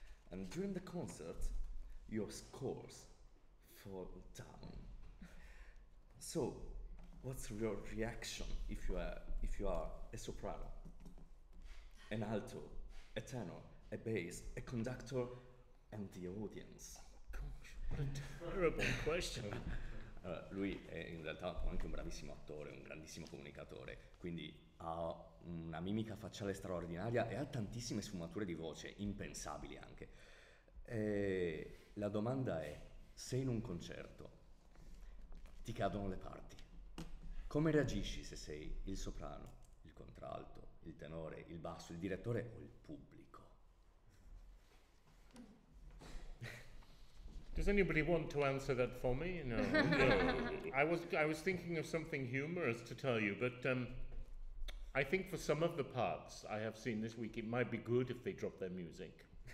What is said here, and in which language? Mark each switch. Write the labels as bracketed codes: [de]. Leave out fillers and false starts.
[en] And during the concert, your scores fall down. So what's your reaction if you are a soprano, an alto, a tenor, a bass, a conductor, and the audience? Gosh, what a terrible question. [it] Lui è in realtà anche un bravissimo attore, un grandissimo comunicatore, quindi ha una mimica facciale straordinaria e ha tantissime sfumature di voce, impensabili anche. E la domanda è, se in un concerto ti cadono le parti, come reagisci se sei il soprano, il contralto, il tenore, il basso, il direttore o il pubblico? [en] Does anybody want to answer that for me? No. No. I was thinking of something humorous to tell you, but I think for some of the parts I have seen this week, it might be good if they drop their music.